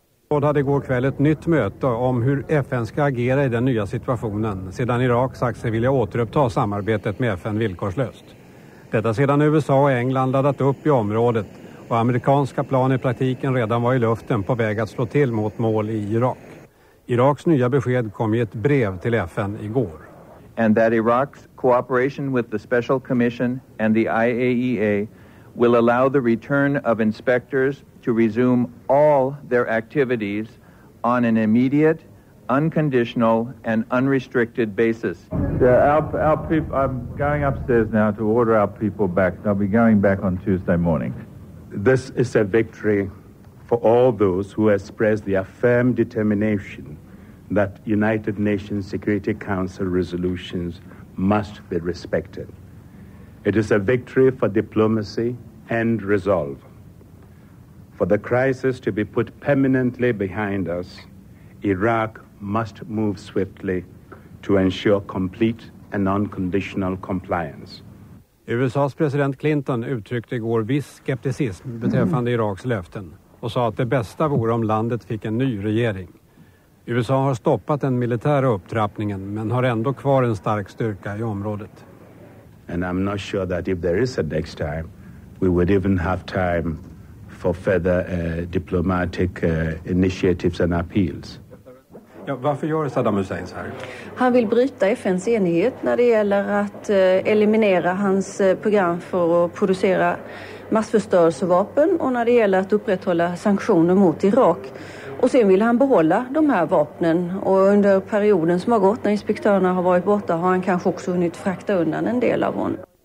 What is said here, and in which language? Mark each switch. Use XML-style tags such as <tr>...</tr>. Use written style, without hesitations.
<sv>Råd hade igår kväll ett nytt möte om hur FN ska agera i den nya situationen sedan Irak sagt sig vilja återuppta samarbetet med FN villkorslöst. Detta sedan USA och England laddat upp i området och amerikanska plan i praktiken redan var i luften på väg att slå till mot mål i Irak. Iraks nya besked kom i ett brev till FN igår.</sv> <en>And that Iraq's cooperation with the Special Commission and the IAEA will allow the return of inspectors to resume all their activities on an immediate, unconditional, and unrestricted basis. Yeah, our people, I'm going upstairs now to order our people back. They'll be going back on Tuesday morning. This is a victory for all those who express their firm determination that United Nations Security Council resolutions must be respected. It is a victory for diplomacy and resolve. For the crisis to be put permanently behind us, Iraq must move swiftly to ensure complete and unconditional compliance.</en> <sv>USA:s president Clinton uttryckte igår viss skepticism beträffande Iraks löften och sa att det bästa vore om landet fick en ny regering. USA har stoppat den militära upptrappningen men har ändå kvar en stark styrka i området.</sv> <en>And I'm not sure that if there is a next time, we would even have time for further diplomatic initiatives and appeals.</en> <sv>Ja, varför gör Saddam Hussein så här? Han vill bryta FNs enighet när det gäller att eliminera hans program för att producera massförstörelsevapen och när det gäller att upprätthålla sanktioner mot Irak. Och sen vill han behålla de här vapnen. Och under perioden som har gått när inspektörerna har varit borta har han kanske också hunnit frakta undan en del av honom.</sv>